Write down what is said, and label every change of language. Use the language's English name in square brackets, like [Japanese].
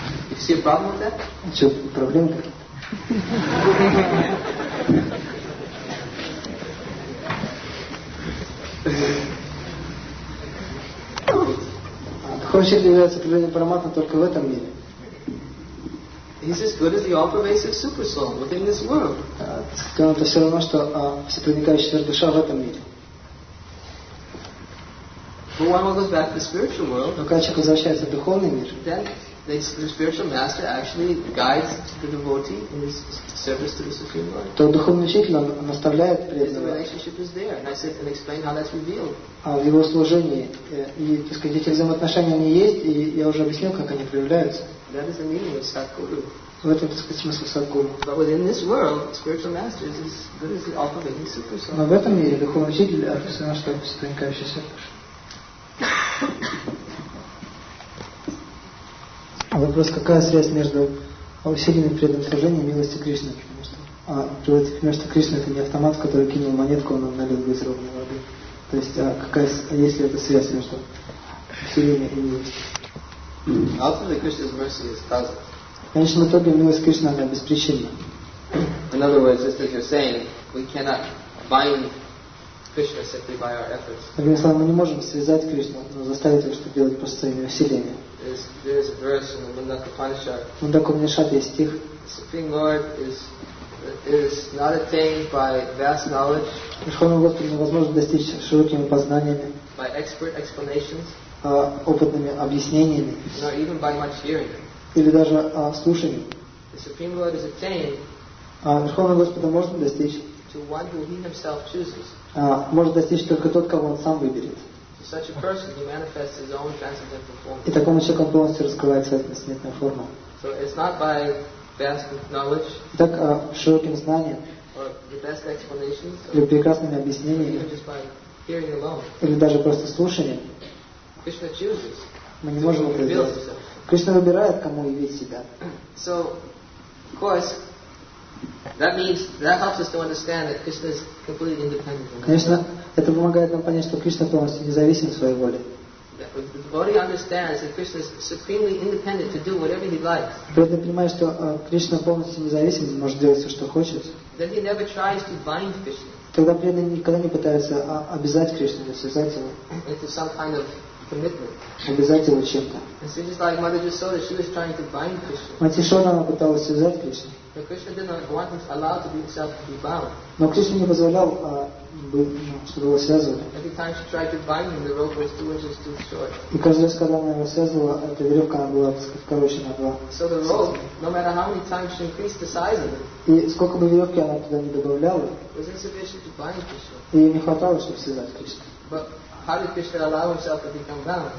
[Russian] И все правы, да? А что, проблемы какие-то? Хочешь ли являться проявлением параматмы только в этом мире? [English] He's as good as the all-pervasive super soul within this world. [Russian] Это все равно, что всепроникающая душа в этом мире. [English] But one goes back to the spiritual world. [Russian] Но когда человек возвращается в духовный мир, [English] the spiritual master actually guides the devotee in his service to the Supreme Lord. [Russian] То духовный учитель он наставляет преданного. [English] The relationship is there, and I said and explained how that's revealed. [Russian] А в его служении и так сказать эти взаимоотношения они есть, и я уже объяснил, как они проявляются. [English] That is the meaning of Sadguru. [Russian] В этом, так сказать, смысл садгуру. [English] But within this world, spiritual master is as good as the all-pervading super soul. [Russian] Но в этом мире духовный учитель это все равно что всепроникающий сердце. Вопрос, какая связь между усиленным преданным служением и милостью Кришны? Потому что приводит к месту Кришны это не автомат, который кинул монетку, он налил бы из ровной воды. То есть какая есть ли эта связь между усилением и милостью? В конечном итоге милость Кришны она беспричинна. [English] In other words, just as you're saying, we cannot bind Krishna simply by our efforts. [Russian] Другими словами, мы не можем связать Кришну, но заставить его что-то делать просто своими усилиями. [English] There is a verse in the Mundaka Upanishad. [Russian] Mundaka Upanishad есть стих. [English] The Supreme Lord is not attained by vast knowledge. [Russian] Верховный Господь невозможно достичь широкими познаниями. [English] By expert explanations. [Russian] Опытными объяснениями. [English] Nor even by much hearing. [Russian] Или даже слушанием. [English] The Supreme Lord is attained. [Russian] Верховного Господа можно достичь. [English] To one who he himself chooses. [Russian] Может достичь только тот, кого он сам выберет. [English] Such a person who manifests his own transcendental form. [Russian] И такому человеку полностью раскрывается трансцендентная форма. [English] So it's not by vast knowledge. [Russian] Так широким знанием. [English] Or the best explanations. [Russian] Или прекрасными объяснениями. [English] Just by hearing alone. [Russian] Или даже просто слушанием. [English] Krishna chooses. [Russian] Мы не можем это сделать. Кришна выбирает, кому явить себя. [English] So, of course, That means that helps us to understand that Krishna is completely independent. [Russian] Конечно, это помогает нам понять, что Кришна полностью независим в своей воле. [English] The devotee understands that Krishna is supremely independent to do whatever he likes. [Russian] Преданный понимает, что Кришна полностью независим, может делать все, что хочет. [English] Then he never tries to bind Krishna. [Russian] Тогда преданный никогда не пытается обязать Кришну или связать его. [English] Into some kind of commitment. [Russian] Обязать его чем-то. [English] And so just like Mother Yashoda, she was trying to bind Krishna. [Russian] Мать Яшода, она пыталась связать Кришну. [English] But Krishna did not want him to allow to be himself to be bound. [Russian] Но Кришна не позволял, чтобы его связывали. [English] Every time she tried to bind him, the rope was 2 inches too short. [Russian] И каждый раз, когда она его связывала, эта веревка она была, так сказать, короче, она была. [English] So the rope, no matter how many times she increased the size of it. [Russian] И сколько бы веревки она туда не добавляла. [English] Was insufficient to bind Krishna. [Russian] Ей не хватало, чтобы связать Кришну. [English] But how did Krishna allow himself to become bound?